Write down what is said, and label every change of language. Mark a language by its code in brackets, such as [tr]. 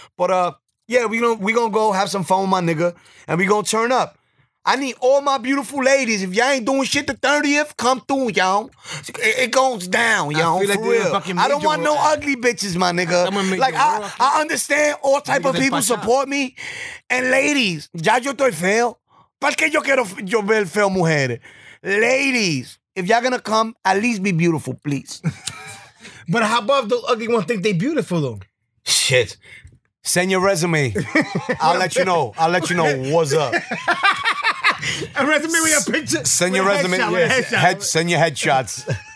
[en] But yeah, we gonna go have some fun with my nigga. And we gonna turn up. I need all my beautiful ladies. If y'all ain't doing shit the 30th, come through, y'all. It goes down, y'all. I feel like for real. I don't want no ugly bitches, my nigga. Like I understand all type of people support me. And ladies, [es] ya yo estoy feo. ¿Por qué yo quiero yo ver feo mujeres? [en] Ladies. If y'all gonna come, at least be beautiful, please. But how about the ugly ones think they beautiful, though? Shit. Send your resume. I'll let you know. I'll let you know what's up. A resume with a picture. Send your resume. Send your headshots.